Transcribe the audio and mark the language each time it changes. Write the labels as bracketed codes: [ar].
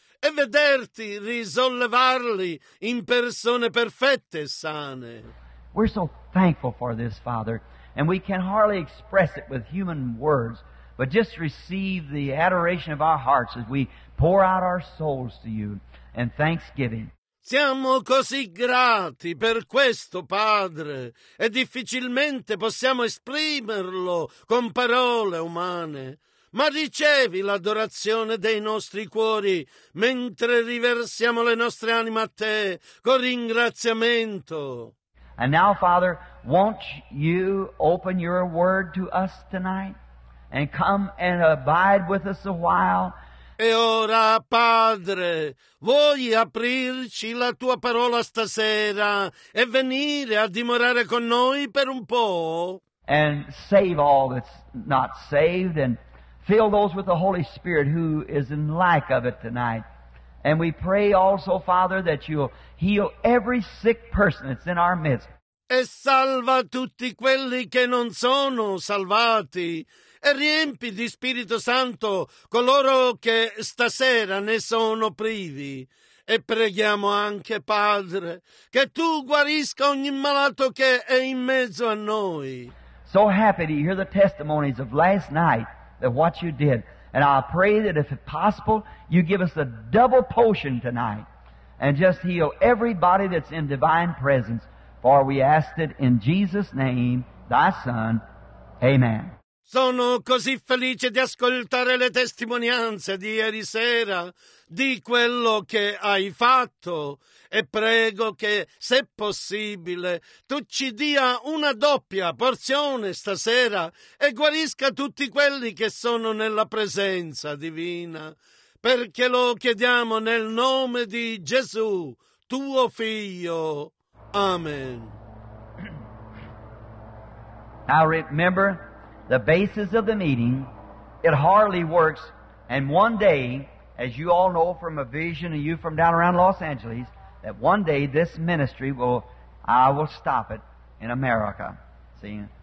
[it] E vederti risollevarli in persone perfette e sane. [en] We're so thankful for this, Father, and we can hardly express it with human words, but just receive the adoration of our hearts as we pour out our souls to You in thanksgiving. [it] Siamo così grati per questo, Padre, e difficilmente possiamo esprimerlo con parole umane. Ma ricevi l'adorazione dei nostri cuori mentre riversiamo le nostre anime a Te con ringraziamento. [en] And now, Father, won't You open Your word to us tonight and come and abide with us a while? [it] E ora, Padre, vuoi aprirci la Tua parola stasera e venire a dimorare con noi per un po'? [en] And save all that's not saved and fill those with the Holy Spirit who is in lack of it tonight. And we pray also, Father, that You'll heal every sick person that's in our midst. [it] E salva tutti quelli che non sono salvati. E riempi di Spirito Santo coloro che stasera ne sono privi. E preghiamo anche, Padre, che Tu guarisca ogni malato che è in mezzo a noi. [en] So happy to hear the testimonies of last night that what You did. And I pray that if possible, You give us a double potion tonight and just heal everybody that's in divine presence. For we ask it in Jesus' name, Thy Son. Amen. [it] Sono così felice di ascoltare le testimonianze di ieri sera di quello che hai fatto e prego che, se possibile, Tu ci dia una doppia porzione stasera e guarisca tutti quelli che sono nella presenza divina, perché lo chiediamo nel nome di Gesù, Tuo Figlio. Amen. [en] Now remember the basis of the meeting, it hardly works, and one day as you all know from a vision of you from down around Los Angeles, that one day this ministry will, I will stop it in America. See?